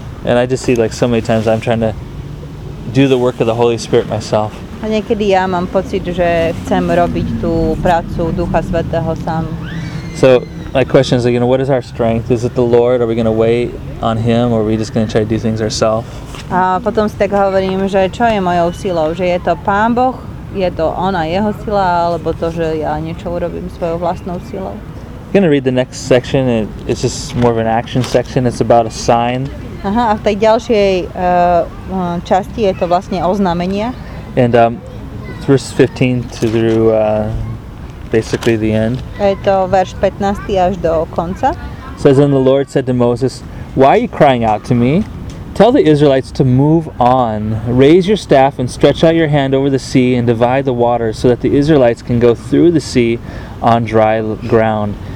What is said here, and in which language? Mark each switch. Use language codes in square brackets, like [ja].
[en] And I just see, like, so many times I'm trying to do the work of the Holy Spirit myself. [sk] A niekedy ja mám pocit, že chcem robiť tú prácu Ducha Svätého sám. [en] So my question is, you know, what is our strength? Is it the Lord? Are we going to wait on him, or are we just going to try to do things ourselves? [sk] A potom si tak hovorím, že čo je mojou silou, že je to Pán Boh, je to ona jeho sila, alebo to, že ja niečo urobím svojou vlastnou silou. [en] I'm going to read the next section. It's just more of an action section. It's about a sign. [sk] Aha, a v tej ďalšej časti je to vlastne oznamenia. [en] And verse 15 through basically the end. [sk] Je to verš 15 až do konca. [en] Says, and the Lord said to Moses, why are you crying out to me? Tell the Israelites to move on. Raise your staff and stretch out your hand over the sea and divide the water so that the Israelites can go through the sea on dry ground.